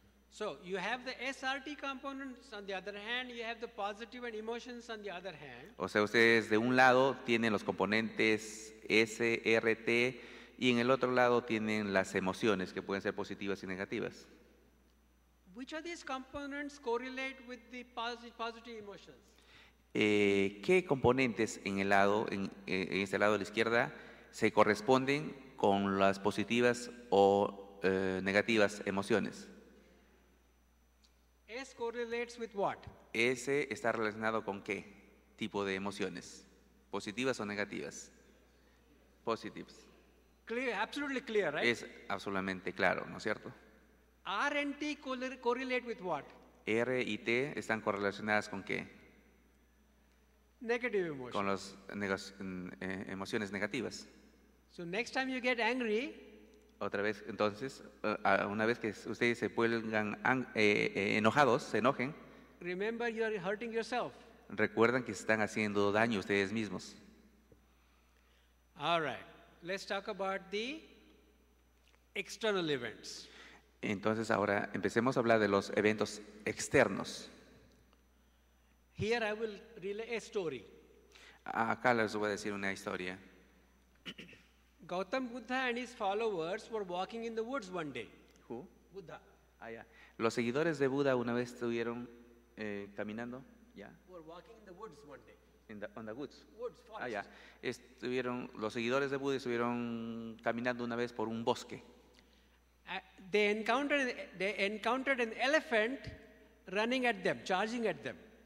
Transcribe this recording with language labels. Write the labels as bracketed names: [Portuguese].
[English] So, you have the SRT components on the other hand, you have the positive and emotions on the other hand. [Spanish] O sea, ustedes de un lado tienen los componentes SRT y en el otro lado tienen las emociones que pueden ser positivas y negativas. [English] Which of these components correlate with the positive emotions? [Spanish] ¿Qué componentes en el lado, en este lado de la izquierda, se corresponden con las positivas o negativas emociones? [English] S correlates with what? [Spanish] S está relacionado con qué tipo de emociones, positivas o negativas. [English] Positives. Clear, absolutely clear, right? [Spanish] Es absolutamente claro, ¿no es cierto? [English] R and T correlate with what? [Spanish] R y T están correlacionadas con qué? [English] Negative emotions. [Spanish] Con las emociones negativas. [English] So next time you get angry, [Spanish] otra vez, entonces, una vez que ustedes se pongan enojados, se enojen. [English] Remember, you are hurting yourself. [Spanish] Recuerdan que están haciendo daño ustedes mismos. [English] All right, let's talk about the external events. [Spanish] Entonces, ahora empecemos a hablar de los eventos externos. [English] Here I will relay a story. [Spanish] Acá les voy a decir una historia. [English] Gautam Buddha and his followers were walking in the woods one day. Who? Buddha. Ah, yeah. [Spanish] Los seguidores de Buda una vez estuvieron caminando. Yeah. [English] Were walking in the woods one day. In the woods. Woods, forest. Ah, yeah. [Spanish] Estuvieron, los seguidores de Buda estuvieron caminando una vez por un bosque. [English] They encountered an elephant running at them, charging at them.